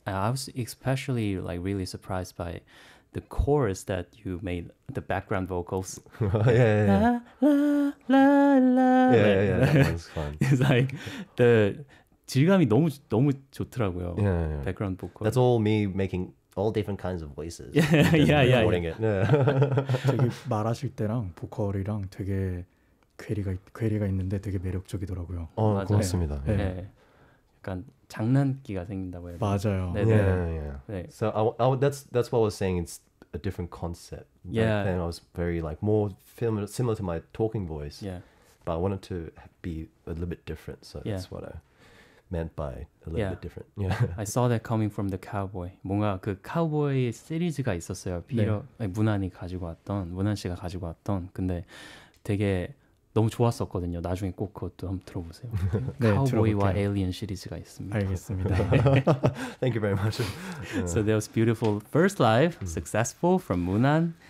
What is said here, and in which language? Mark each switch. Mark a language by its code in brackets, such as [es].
[en] I was especially like really surprised by the chorus that you made, the background vocals. Yeah. That one's fun. It's like the [ko] 질감이 너무 좋더라고요. [en] Yeah. Background vocals. That's all me making all different kinds of voices. Yeah. [ko] 되게 말하실 때랑 보컬이랑 되게 괴리가 있는데 되게 매력적이더라고요. 고맙습니다. 네. 약간 장난기가 생긴다고 해요. 맞아요. [en] 네. So that's what I was saying. It's a different concept. Yeah. And I was very like more similar to my talking voice. Yeah. But I wanted to be a little bit different. So that's what I meant by a little bit different. Yeah. I saw that coming from the cowboy. [ko] 뭔가 그 cowboy 시리즈가 있었어요. 문안이 가지고 왔던 문안 씨가 가지고 왔던. 근데 되게 너무 좋았었거든요. 나중에 꼭 그것도 한번 들어보세요. 네, 카우보이와 에일리언 시리즈가 있습니다. 알겠습니다. [en] Thank you very much. So that was beautiful. First live, successful from Munan.